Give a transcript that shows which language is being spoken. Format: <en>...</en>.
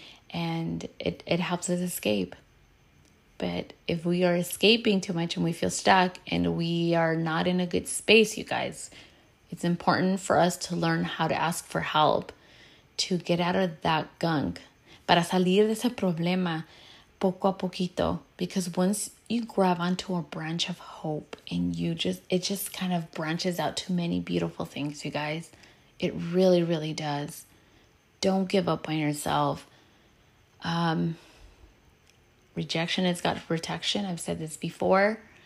<en>And it helps us escape. But if we are escaping too much and we feel stuck and we are not in a good space, you guys, it's important for us to learn how to ask for help to get out of that gunk.</en> <es>Para salir de ese problema poco a poquito.</es> <en>Because once you grab onto a branch of hope and it just kind of branches out to many beautiful things, you guys. It really, really does. Don't give up on yourself. Rejection has got protection. I've said this before.</en>